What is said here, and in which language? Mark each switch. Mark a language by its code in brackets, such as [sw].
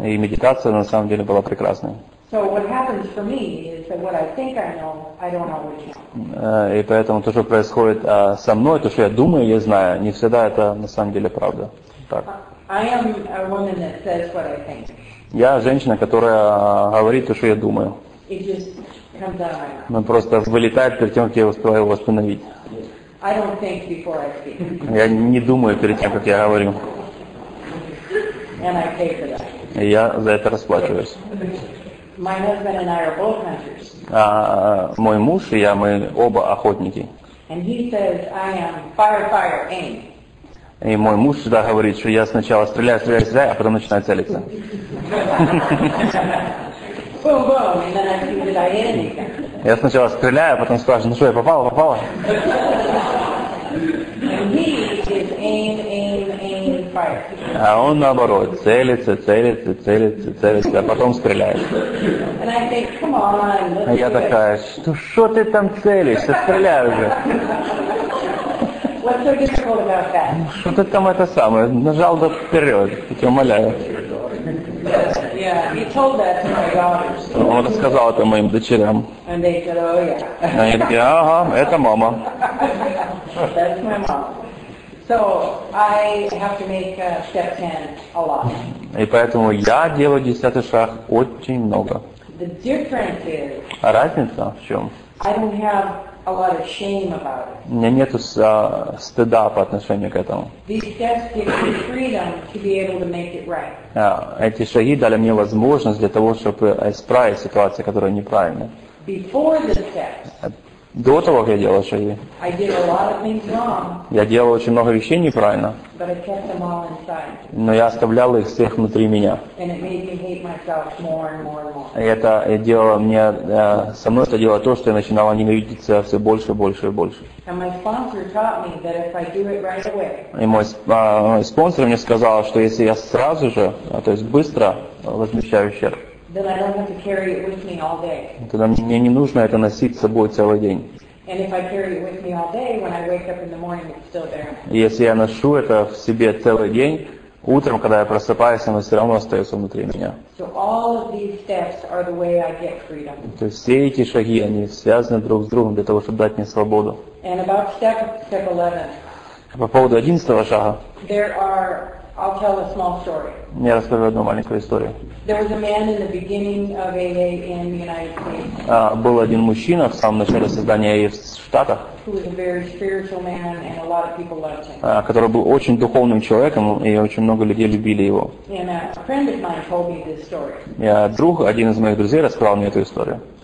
[ru] И медитация на самом деле была прекрасной. [en] So what happens for me is that what I think I know, I don't always know. [ru] И поэтому то, что происходит со мной, то, что я думаю, я знаю, не всегда это на самом деле правда. Так. [en] I am a woman that says what I think. [ru] Я женщина, которая говорит то, что я думаю. [en] It just comes out of my mouth. [ru] Он просто вылетает перед тем, как я успеваю его остановить. [en] I don't think before I speak. [ru] Я не думаю перед тем, как я говорю. [en] And I pay for that. [ru] И я за это расплачиваюсь. [en] My husband and I are both hunters. [ru] Мой муж и я, мы оба охотники. [en] And he says, I am fire, aim. [ru] И мой муж всегда говорит, что я сначала стреляю, а потом начинаю целиться. [en] Boom, and then I see, did I hit anything? [ru] Я сначала стреляю, а потом спрашиваю, ну что, я попал? [en] And he is aim, fire. [ru] А он наоборот, целится, а потом стреляет. [en] And I think, come on, let's do it. [ru] Я такая, что ты там целишься, стреляй уже. [en] What's so difficult about that? [ru] Что ты там это самое, нажал до вперед, я тебя умоляю. [en] Yeah, he told that to my daughters. [ru] Он рассказал это моим дочерям. [en] And they said, oh yeah. [ru] Они такие, ага, это мама. [en] That's my mom. So I have to make step 10 a lot. [ru] И поэтому я делаю 10 шаг очень много. [en] The difference is. [ru] А разница в чем? [en] I don't have a lot of shame about it. [ru] У меня нету стыда по отношению к этому. [en] These steps give me freedom to be able to make it right. [ru] Эти шаги дали мне возможность для того, чтобы исправить ситуацию, которая неправильная. [en] Before the steps. [ru] До того, как я делал шаги, [en] I did a lot of things wrong, [ru] я делал очень много вещей неправильно, [en] but I kept them all inside. [ru] Но я оставлял их всех внутри меня. [en] And it made me hate myself more and more and more. [ru] И это делало мне, со мной это делало то, что я начинал ненавидеть себя все больше. [en] And my sponsor taught me that if I do it right away, [ru] и мой спонсор мне сказал, что если я сразу же, то есть быстро возмещаю ущерб, [en] then I don't have to carry it with me all day. [ru] Тогда мне не нужно это носить с собой целый день. [en] And if I carry it with me all day, when I wake up in the morning, it's still there. [ru] Если я ношу это в себе целый день, утром, когда я просыпаюсь, оно все равно остается внутри меня. [en] So all of these steps are the way I get freedom. [ru] То есть все эти шаги, они связаны друг с другом для того, чтобы дать мне свободу. [en] And about step 11. [ru] По поводу 11-го шага. [en] There are. I'll tell a small story. [ru] Я расскажу одну маленькую историю. [en] There was a man in the beginning of AA in the United States. [ru] Был один мужчина в самом начале создания AA в Штатах. [en] Who was a very spiritual man and a lot of people loved him. [ru] Который был очень духовным человеком и очень много людей любили его. [en] And a friend of mine told me this story. [ru] Я друг, один из моих друзей рассказал мне эту историю.